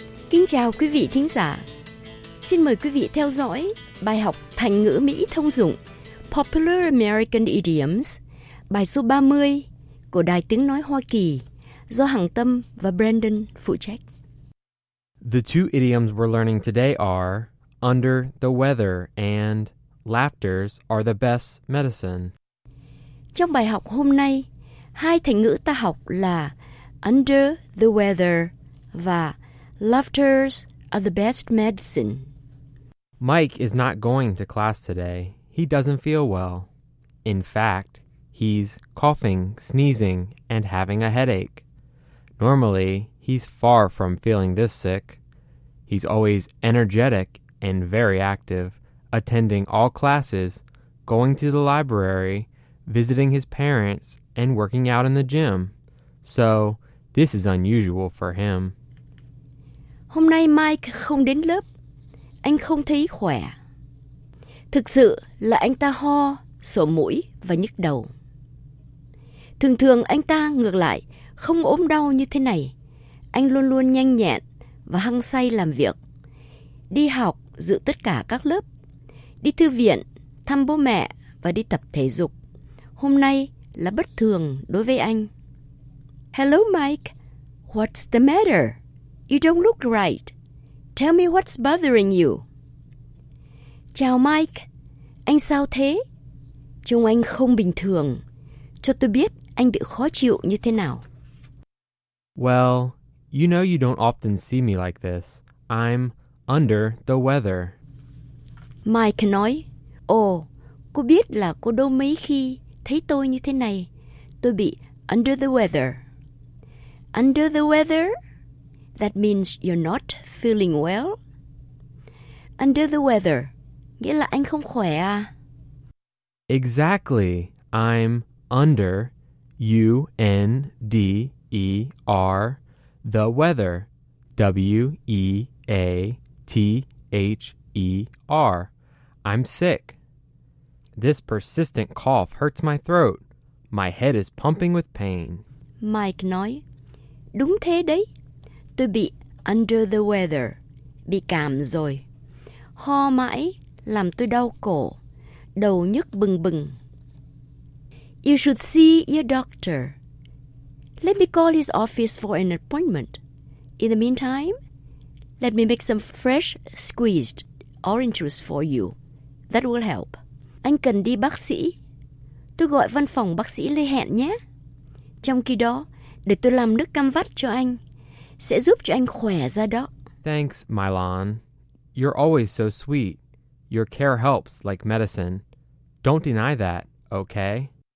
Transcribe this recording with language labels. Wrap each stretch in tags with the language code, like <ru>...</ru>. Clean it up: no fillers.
<vi>Kính chào quý vị thính giả. Xin mời quý vị theo dõi bài học thành ngữ Mỹ thông dụng Popular American Idioms, bài số 30 của Đài Tiếng Nói Hoa Kỳ do Hằng Tâm và Brandon phụ trách.</vi> <en>The two idioms we're learning today are under the weather and laughters are the best medicine.</en> <vi>Trong bài học hôm nay, hai thành ngữ ta học là under the weather và laughters are the best medicine.</vi> <en>Mike is not going to class today. He doesn't feel well. In fact, he's coughing, sneezing, and having a headache. Normally, he's far from feeling this sick. He's always energetic and very active, attending all classes, going to the library, visiting his parents, and working out in the gym. So, this is unusual for him.</en> <vi>Hôm nay Mike không đến lớp. Anh không thấy khỏe. Thực sự là anh ta ho, sổ mũi và nhức đầu. Thường thường anh ta ngược lại không ốm đau như thế này. Anh luôn luôn nhanh nhẹn và hăng say làm việc. Đi học, dự tất cả các lớp. Đi thư viện, thăm bố mẹ và đi tập thể dục. Hôm nay là bất thường đối với anh.</vi> <en>Hello Mike, what's the matter? You don't look right. Tell me what's bothering you.</en> <vi>Chào Mike. Anh sao thế? Trông anh không bình thường. Cho tôi biết anh bị khó chịu như thế nào.</vi> <en>Well, you know you don't often see me like this. I'm under the weather.</en> <vi>Mike nói, ồ, cô biết là cô đâu mấy khi thấy tôi như thế này. Tôi bị under the weather. Under the weather?</vi> <en>That means you're not feeling well. Under the weather,</en> <vi>nghĩa là anh không khỏe à?</vi> <en>Exactly. I'm under, U-N-D-E-R, the weather, W-E-A-T-H-E-R. I'm sick. This persistent cough hurts my throat. My head is pumping with pain.</en> <vi>Mike nói, đúng thế đấy. Tôi bị under the weather, bị cảm rồi. Ho mãi làm tôi đau cổ, đầu nhức bừng bừng.</vi> <en>You should see your doctor. Let me call his office for an appointment. In the meantime, let me make some fresh squeezed orange juice for you. That will help.</en> <vi>Anh cần đi bác sĩ. Tôi gọi văn phòng bác sĩ Lê Hẹn nhé. Trong khi đó, để tôi làm nước cam vắt cho anh. Sẽ giúp cho anh khỏe ra đó.</vi> <en>Thanks, Mylon. You're always so sweet. Your care helps like medicine. Don't deny that, okay?</en>